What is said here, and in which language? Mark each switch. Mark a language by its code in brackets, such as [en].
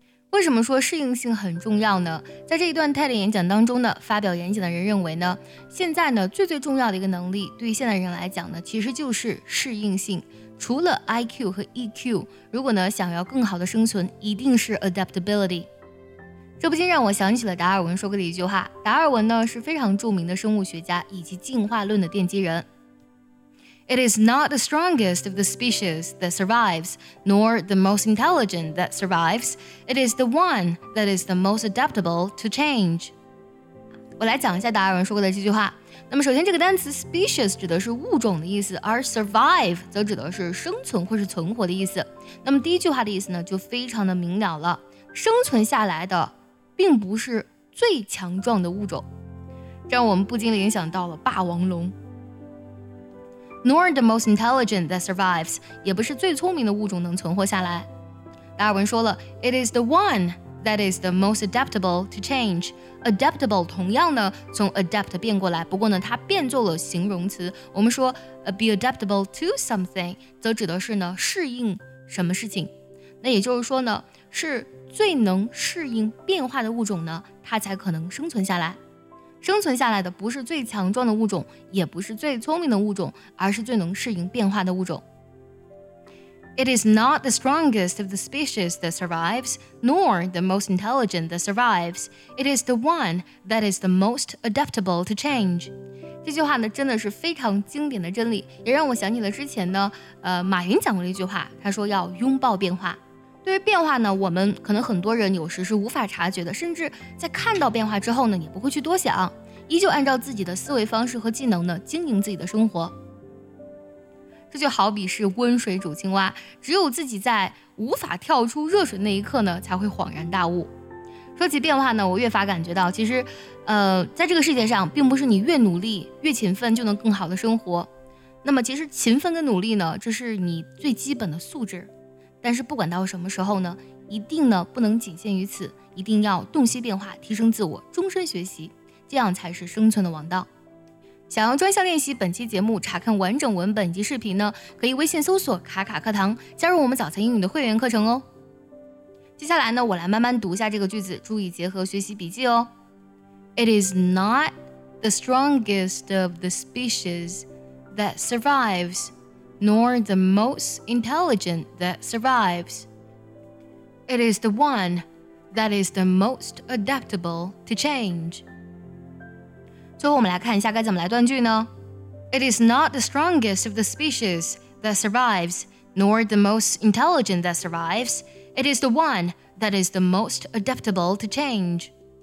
[zh] 为什么说适应性很重要呢？在这一段 TED 演讲当中呢，发表演讲的人认为呢，现在呢最最重要的一个能力，对于现代人来讲呢，其实就是适应性。除了 IQ 和 EQ， 如果呢想要更好的生存，一定是 adaptability。这不禁让我想起了达尔文说过的一句话。达尔文呢是非常著名的生物学家以及进化论的奠基人。 [en] It is not the strongest of the species that survives, nor the most intelligent that survives. It is the one that is the most adaptable to change. [zh] 我来讲一下达尔文说过的这句话。那么首先这个单词 species 指的是物种的意思，而 survive 则指的是生存或是存活的意思。那么第一句话的意思呢就非常的明了了，生存下来的并不是最强壮的物种，让我们不禁联想到了霸王龙。 Nor the most intelligent that survives，也不是最聪明的物种能存活下来。 [en] 达尔文说了 It is the one that is the most adaptable to change。 [zh] Adaptable 同样呢从 adapt 变过来，不过呢它变作了形容词。我们说 be adaptable to something 则指的是呢适应什么事情，那也就是说呢是最能适应变化的物种呢，它才可能生存下来。生存下来的不是最强壮的物种，也不是最聪明的物种，而是最能适应变化的物种。 [en] It is not the strongest of the species that survives, nor the most intelligent that survives. It is the one that is the most adaptable to change. [zh] 这句话呢，真的是非常经典的真理，也让我想起了之前呢，马云讲过的一句话，他说要拥抱变化。对于变化呢，我们可能很多人有时是无法察觉的，甚至在看到变化之后呢，也不会去多想，依旧按照自己的思维方式和技能呢，经营自己的生活。这就好比是温水煮青蛙，只有自己在无法跳出热水那一刻呢，才会恍然大悟。说起变化呢，我越发感觉到，其实，在这个世界上，并不是你越努力、越勤奋就能更好的生活。那么，其实勤奋跟努力呢，这是你最基本的素质。但是不管到什么时候呢，一定呢不能仅限于此，一定要洞悉变化，提升自我，终身学习，这样才是生存的王道。想要专项练习本期节目，查看完整文本及视频呢，可以微信搜索卡卡课堂，加入我们早餐英语的会员课程哦。接下来呢，我来慢慢读一下这个句子，注意结合学习笔记哦。 [en] It is not the strongest of the species that survives. Nor the most intelligent that survives. It is the one that is the most adaptable to change. [zh] 最后我们来看一下该怎么来断句呢？ [en] It is not the strongest of the species that survives, nor the most intelligent that survives. It is the one that is the most adaptable to change.